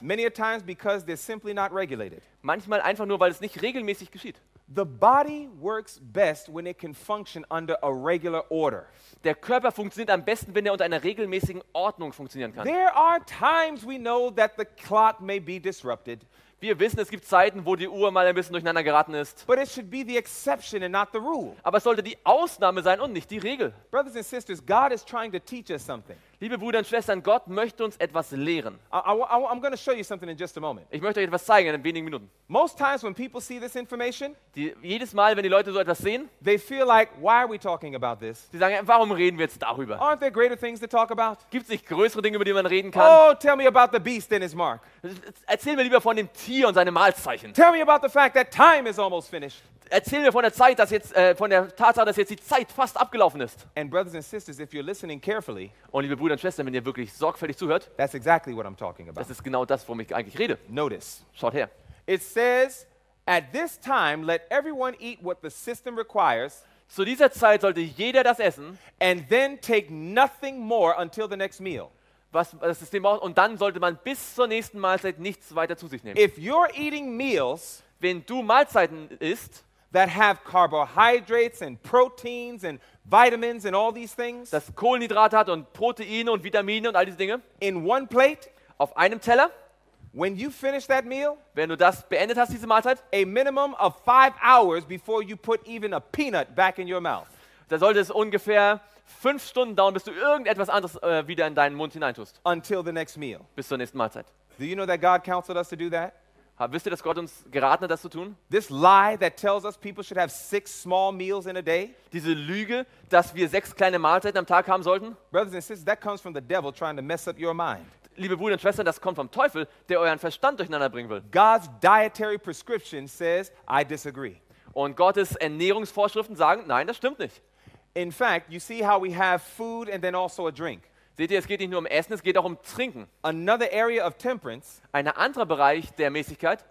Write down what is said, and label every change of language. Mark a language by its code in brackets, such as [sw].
[en] Many a times because they're simply not regulated. [de] Manchmal einfach nur, weil es nicht regelmäßig geschieht. [en] The body works best when it can function under a regular order. [de] Der Körper funktioniert am besten, wenn er unter einer regelmäßigen Ordnung funktionieren kann. [en] There are times we know that the clock may be disrupted. [de] Wir wissen, es gibt Zeiten, wo die Uhr mal ein bisschen durcheinander geraten ist. [en] But it should be the exception and not the rule. [de] Aber es sollte die Ausnahme sein und nicht die Regel. [en] Brothers and sisters, God is trying to teach us something. [de] Liebe Brüder und Schwestern, Gott möchte uns etwas lehren. [en] I'm going to show you something in just a moment. [de] Ich möchte euch etwas zeigen in wenigen Minuten. [en] Most times when people see this information, [de] jedes Mal, wenn die Leute so etwas sehen, [en] they feel like, why are we talking about this? [de] Sie sagen, warum reden wir jetzt darüber? [en] Aren't there greater things to talk about? [de] Gibt es nicht größere Dinge, über die man reden kann? [en] Oh, tell me about the beast and his mark. [de] Erzähl mir lieber von dem Tier und seinem Malzeichen. [en] Tell me about the fact that time is almost finished. [de] Erzähl mir von der Zeit, dass jetzt von der Tatsache, dass jetzt die Zeit fast abgelaufen ist. [en] And brothers and sisters, if you're listening carefully, [de] und liebe Brüder und Schwestern, wenn ihr wirklich sorgfältig zuhört, [en] that's exactly what I'm talking about. [de] Das ist genau das, worum ich eigentlich rede. [en] Notice. [de] Schaut her. [en] It says, at this time, let everyone eat what the system requires. [de] Zu dieser Zeit sollte jeder das essen. [en] And then take nothing more until the next meal. [de] Was das System braucht, und dann sollte man bis zur nächsten Mahlzeit nichts weiter zu sich nehmen. [en] If you're eating meals, [de] wenn du Mahlzeiten isst, [en] that have carbohydrates and proteins and vitamins and all these things, [de] das Kohlenhydrate hat und Proteine und Vitamine und all diese Dinge, [en] in one plate, [de] auf einem Teller, [en] when you finish that meal, [de] wenn du das beendet hast, diese Mahlzeit, [en] a minimum of 5 hours before you put even a peanut back in your mouth, [de] da sollte es ungefähr 5 Stunden dauern, bis du irgendetwas anderes wieder in deinen Mund hineintust, [en] until the next meal, [de] bis zur nächsten Mahlzeit. [en] Do you know that God counseled us to do that? [de] Wisst ihr, dass Gott uns geraten hat, das zu tun? [en] This lie that tells us people should have 6 small meals in a day. [de] Diese Lüge, dass wir 6 kleine Mahlzeiten am Tag haben sollten. [en] Brothers and sisters, that comes from the devil trying to mess up your mind. [de] Liebe Brüder und Schwestern, das kommt vom Teufel, der euren Verstand durcheinander bringen will. [en] God's dietary prescription says, I disagree. [de] Und Gottes Ernährungsvorschriften sagen, nein, das stimmt nicht. [en] In fact, you see how we have food and then also a drink. [de] Seht ihr, es geht nicht nur um Essen, es geht auch um Trinken. [en] Another area of temperance, [de] ein anderer Bereich der Mäßigkeit,